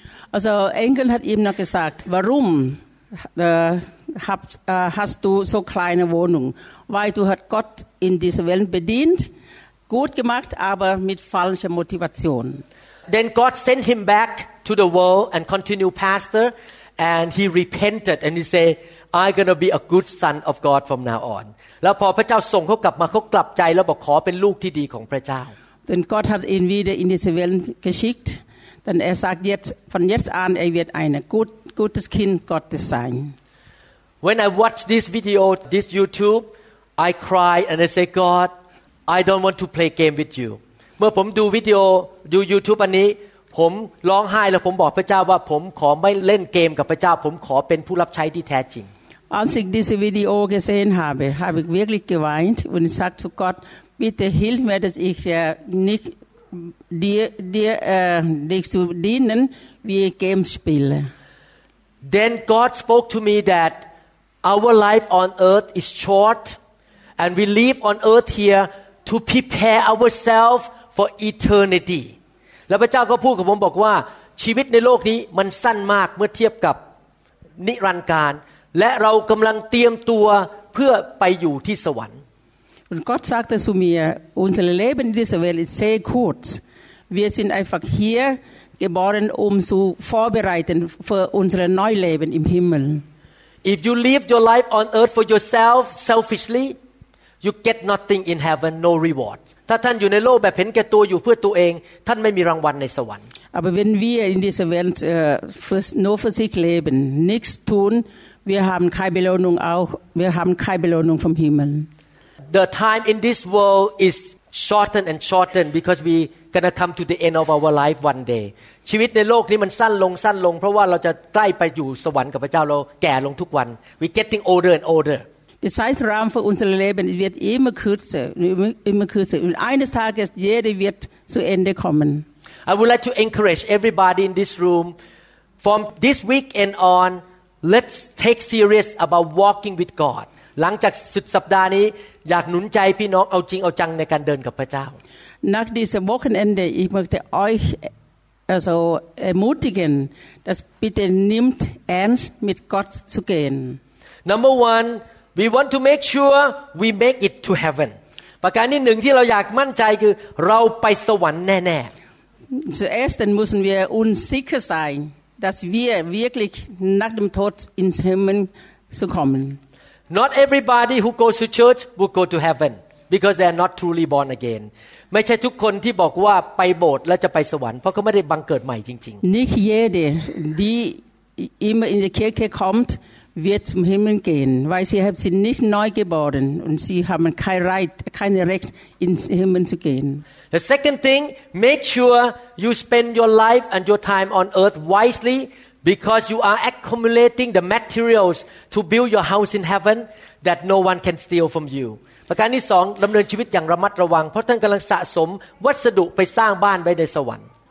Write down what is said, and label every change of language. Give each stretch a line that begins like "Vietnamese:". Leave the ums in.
German: Also Engel hat ihm noch gesagt, warum äh, hab- äh, hast du so kleine Wohnung? Weil du hat Gott in dieser Welt bedient, gut gemacht, aber mit falscher Motivation.
English: then God sent him back to the world and continued pastor and he repented and he say I'm gonna be a good son of God from now on
Thai: แล้วพอพระเจ้าส่งเขากลับมาเขากลับใจแล้วบอกขอเป็นลูกที่ดีของพระเจ้า
German: Denn Gott hat ihn wieder in diese Welt geschickt. Denn er sagt jetzt, von jetzt an, er wird ein gut, gutes Kind Gottes sein.
English: When I watch this video, this YouTube, I cry and I say, God, I don't want to play game with you.
Thai: เมื่อผมดูวิดีโอดู YouTube อันนี้ ผมร้องไห้แล้วผมบอกพระเจ้าว่าผมขอไม่เล่นเกมกับพระเจ้า ผมขอเป็นผู้รับใช้ที่แท้จริง
German: Als ich dieses Video gesehen habe, habe ich wirklich geweint und ich sagte zu Gott, bitte hilf mir, dass ich äh, nicht dir, dir äh, dich zu dienen, wie ich Games spiele.
English: Then God spoke to me that our life on earth is short and we live on earth here to prepare ourselves for eternity
Thai: แล้วพระเจ้าก็พูดกับผมบอกว่าชีวิตในโลกนี้มันสั้นมากเมื่อเทียบกับ นิรันดร์การ และเรากำลังเตรียมตัวเพื่อไปอยู่ที่สวรรค์
German: Und Gott sagte zu mir, unser Leben in dieser Welt ist sehr kurz. Wir sind einfach hier geboren, um zu vorbereiten für unser Neuleben im Himmel.
English: if you live your life on earth for yourself selfishly you get nothing in heaven no reward
Thai: ถ้าท่านอยู่ในโลกแบบเห็นแก่ตัวอยู่เพื่อตัวเอง ท่านไม่มีรางวัลในสวรรค์
German: Aber wenn wir in dieser Welt äh, fürs- nur für sich leben, nichts tun, wir haben keine Belohnung auch, wir haben keine Belohnung vom Himmel.
English: the time in this world is shortened and shortened because we gonna come to the end of our life one day
Thai: ชีวิตในโลกนี้มันสั้นลงสั้นลง เพราะว่าเราจะใกล้ไปอยู่สวรรค์กับพระเจ้าเราแก่ลงทุกวัน
English: we getting older and older
German: Der Zeitrahmen für unser Leben wird immer kürzer, immer, immer kürzer. Und eines Tages, jeder wird zu Ende kommen.
English: I would like to encourage everybody in this room from this weekend on let's take serious about walking with God
Thai: หลังจากสุดสัปดาห์นี้อยากหนุนใจพี่น้องเอาจริงเอาจังในการเดินกับพระเจ้า
German: Nach diesem Wochenende, ich möchte euch also ermutigen, dass bitte nimmt ernst, mit Gott zu gehen.
English: Number one we want to make sure we make it to heaven
Thai: ประการที่หนึ่งที่เราอยากมั่นใจคือเราไปสวรรค์แน่
German: Zuerst dann müssen wir uns sicher sein, dass wir wirklich nach dem Tod ins Himmel zu kommen.
English: ๆ not everybody who goes to church will go to heaven because they are not truly born again
Thai: ไม่ใช่ทุกคนที่บอกว่าไปโบสถ์แล้วจะไปสวรรค์เพราะเขาไม่ได้บังเกิดใหม่จริง
German: Nicht jede, die immer in die Kirche kommt, wird zum Himmel gehen, weil sie haben sie nicht neu geboren und sie haben kein Recht, kein Recht ins Himmel zu gehen.
English: ๆ the second thing make sure you spend your life and your time on earth wisely Because you are accumulating the materials to build your house in heaven that no one can steal from you
Thai: ประการที่สองดำเนินชีวิตอย่างระมัดระวัง เพราะท่านกำลังสะสมวัสดุไปสร้างบ้านไว้ในสวรรค์